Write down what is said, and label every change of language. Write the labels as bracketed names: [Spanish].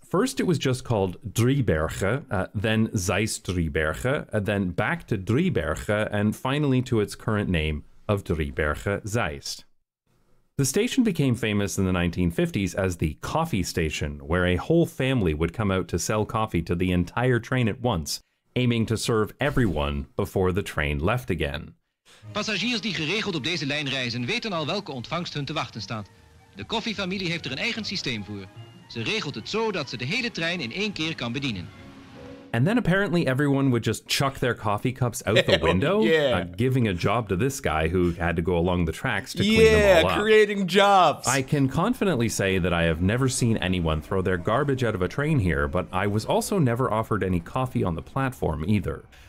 [English] First, it was just called Driebergen, then Zeist Driebergen, then back to Driebergen, and finally to its current name of Driebergen Zeist. The station became famous in the 1950s as the coffee station, where a whole family would come out to sell coffee to the entire train at once, aiming to serve everyone before the train left again. [Dutch] Passagiers die geregeld op deze lijn reizen weten al welke ontvangst hun te wachten staat. De koffiefamilie heeft er een eigen systeem voor. Ze regelt het zo dat ze de hele trein in één keer kan bedienen. [English] And then apparently everyone would just chuck their coffee cups out the window, giving a job to this guy who had to go along the tracks to clean them all up. Yeah, creating jobs. I can confidently say that I have never seen anyone throw their garbage out of a train here, but I was also never offered any coffee on the platform either.